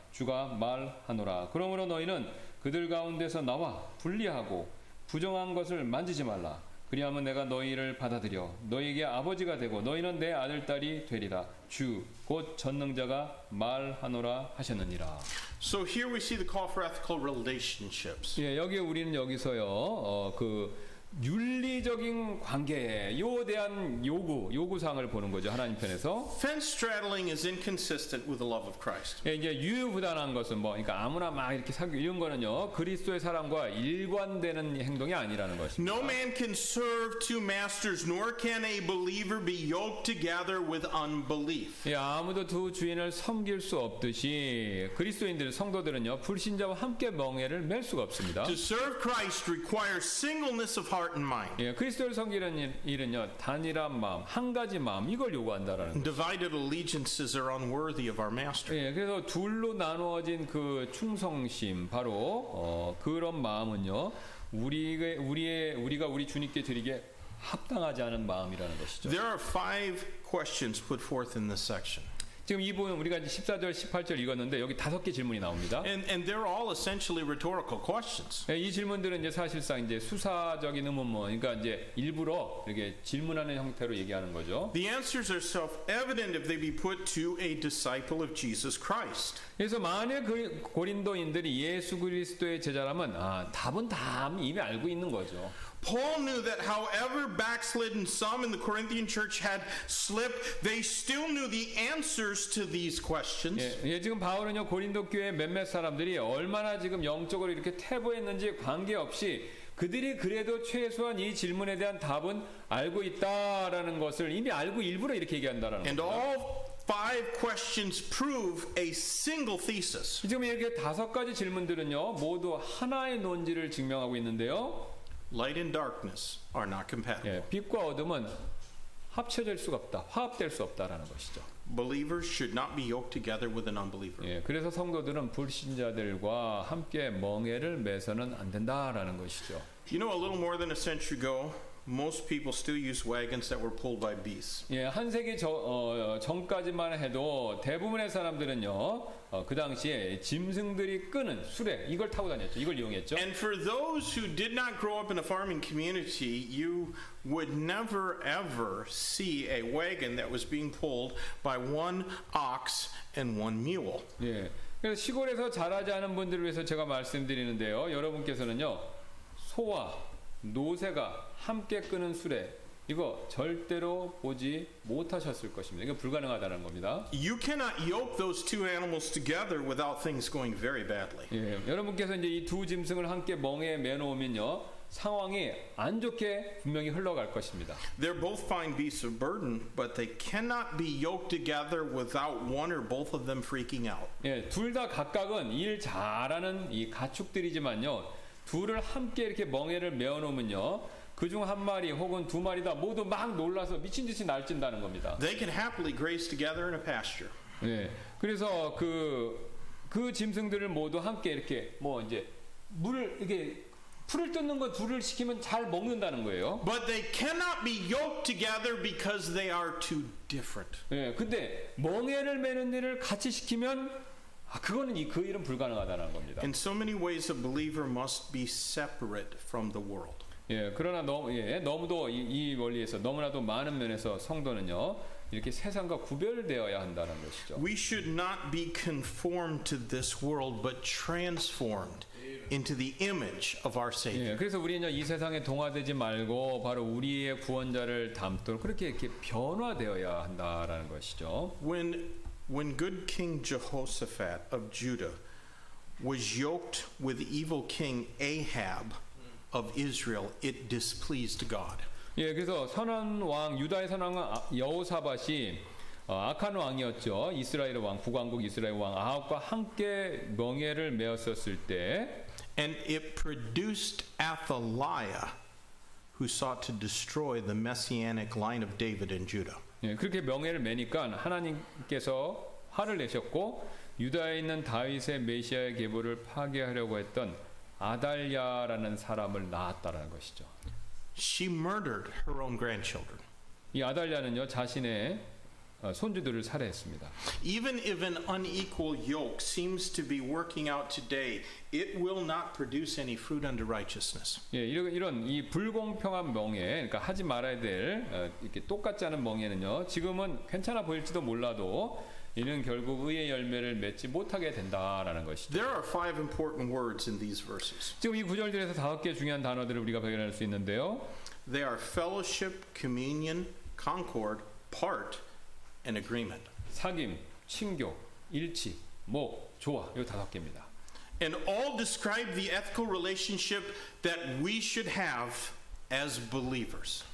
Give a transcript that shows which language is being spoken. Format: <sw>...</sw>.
<ko>주가 말하노라. 그러므로 너희는 그들 가운데서 나와 분리하고 부정한 것을 만지지 말라. 그리하면 내가 너희를 받아들여 너희에게 아버지가 되고 너희는 내 아들딸이 되리라. 주 곧 전능자가 말하노라 하셨느니라.</ko> <en>So here we see the call for ethical relationships.</en> <ko>예, 여기 우리는 여기서요. 그 윤리적인 관계에 대한 요구사항을 보는 거죠. 하나님 편에서.</ko> <en>Fence straddling is inconsistent with the love of Christ.</en> <ko>예, 이제 유유부단한 것은 뭐 그러니까 아무나 막 이렇게 사귀 이런 거는요. 그리스도의 사랑과 일관되는 행동이 아니라는 것입니다.</ko> <en>No man can serve two masters nor can a believer be yoked together with unbelief.</en> <ko>예, 아무도 두 주인을 섬길 수 없듯이 그리스도인들 성도들은요. 불신자와 함께 멍에를 맬 수가 없습니다.</ko> <en>To serve Christ requires singleness of heart and mind.</en> <ko>예, 그리스도를 섬기는 일은요 단일한 마음, 한 가지 마음 이걸 요구한다라는.</ko> <en>Divided allegiances are unworthy of our master.</en> <ko>예, 그래서 둘로 나누어진 그 충성심 바로 그런 마음은요 우리가 우리 주님께 드리게 합당하지 않은 마음이라는 것이죠.</ko> <en>There are five questions put forth in this section.</en> <ko>지금 이 부분 우리가 이제 14절, 18절 읽었는데 여기 다섯 개 질문이 나옵니다.</ko> <en>And they're all essentially rhetorical questions.</en> <ko>예, 이 질문들은 이제 사실상 이제 수사적인 의문 뭐 그러니까 이제 일부러 이렇게 질문하는 형태로 얘기하는 거죠.</ko> <en>The answers are self-evident if they be put to a disciple of Jesus Christ.</en> <ko>그래서 만약 그 고린도인들이 예수 그리스도의 제자라면 아, 답은 다 이미 알고 있는 거죠.</ko> <en>Paul knew that however backslidden some in the Corinthian church had slipped, they still knew the answers to these questions.</en> <ko>예, 예 지금 바울은요 고린도 교회 몇몇 사람들이 얼마나 지금 영적으로 이렇게 태보했는지 관계없이 그들이 그래도 최소한 이 질문에 대한 답은 알고 있다라는 것을 이미 알고 일부러 이렇게 얘기한다라는 겁니다.</ko> <en>And all five questions prove a single thesis.</en> <ko>지금 이렇게 다섯 가지 질문들은요, 모두 하나의 논지를 증명하고 있는데요.</ko> <en>Light and darkness are not compatible. 예,</en> <ko>빛과 어둠은 합쳐질 수가 없다, 화합될 수 없다라는 것이죠.</ko> <en>Believers should not be yoked together with an unbeliever.</en> <ko>예, 그래서 성도들은 불신자들과 함께 멍에를 매서는 안 된다라는 것이죠.</ko> <en>You know, a little more than a century ago, most people still use wagons that were pulled by beasts.</en> <ko>예, 한 세기 전까지만 해도 대부분의 사람들은요, 그 당시에 짐승들이 끄는 수레 이걸 타고 다녔죠. 이걸 이용했죠.</ko> <en>And for those who did not grow up in a farming community, you would never ever see a wagon that was being pulled by one ox and one mule.</en> <ko>예, 그래서 시골에서 자라지 않은 분들을 위해서 제가 말씀드리는데요, 여러분께서는요, 소와 노새가 함께 끄는 수레 이거 절대로 보지 못하셨을 것입니다. 이거 불가능하다는 겁니다.</ko> <en>You cannot yoke those two animals together without things going very badly.</en> <ko>예, 여러분께서 이제 이 두 짐승을 함께 멍에 매놓으면요, 상황이 안 좋게 분명히 흘러갈 것입니다.</ko> <en>They're both fine beasts of burden, but they cannot be yoked together without one or both of them freaking out.</en> <ko>예, 둘 다 각각은 일 잘하는 이 가축들이지만요, 둘을 함께 이렇게 멍에를 메어놓으면요, 그중 한 마리 혹은 두 마리 다 모두 막 놀라서 미친 듯이 날뛴다는 겁니다.</ko> <en>They can happily graze together in a pasture.</en> <ko>네, 그래서 그 짐승들을 모두 함께 이렇게 뭐 이제 물을 이렇게 풀을 뜯는 거 둘을 시키면 잘 먹는다는 거예요.</ko> <en>But they cannot be yoked together because they are too different.</en> <ko>네, 근데 멍에를 메는 일을 같이 시키면 그거는 그 일은 불가능하다는 겁니다.</ko> <en>In so many ways, a believer must be separate from the world.</en> <ko>예, 그러나 너무도 이 원리에서 너무나도 많은 면에서 성도는요 이렇게 세상과 구별되어야 한다는 것이죠.</ko> <en>We should not be conformed to this world, but transformed into the image of our Savior.</en> <ko>예, 그래서 우리는요 이 세상에 동화되지 말고 바로 우리의 구원자를 닮도록 그렇게 이렇게 변화되어야 한다라는 것이죠.</ko> <en>When good King Jehoshaphat of Judah was yoked with evil King Ahab of Israel, it displeased God.</en> <ko>예, 그래서 선한 왕 유다의 선왕 여호사밧이 악한 왕이었죠. 이스라엘의 왕 북왕국 이스라엘 왕 아합과 함께 멍에를 메었었을 때,</ko> <en>and it produced Athaliah, who sought to destroy the messianic line of David and Judah.</en> <ko>예, 그렇게 멍에를 메니까 하나님께서 화를 내셨고 유다에 있는 다윗의 메시아의 계보를 파괴하려고 했던 아달랴라는 사람을 낳았다라는 것이죠.</ko> <en>She murdered her own grandchildren.</en> <ko>이 아달랴는요 자신의 손주들을 살해했습니다.</ko> <en>Even if an unequal yoke seems to be working out today, it will not produce any fruit under righteousness.</en> <ko>예, 이런 이 불공평한 멍에, 그러니까 하지 말아야 될 이렇게 똑같지 않은 멍에는요, 지금은 괜찮아 보일지도 몰라도 이는 결국 의의 열매를 맺지 못하게 된다라는 것이죠.</ko> <en>There are five important words in these verses.</en> <ko>지금 이 구절들에서 다섯 개 중요한 단어들을 우리가 발견할 수 있는데요.</ko> <en>They are fellowship, communion, concord, part, an agreement.</en> <ko>사귐, 친교, 일치, 목, 조화. 이 다섯 개입니다.</ko> <en>And all describe the ethical relationship that we should have as believers.</en>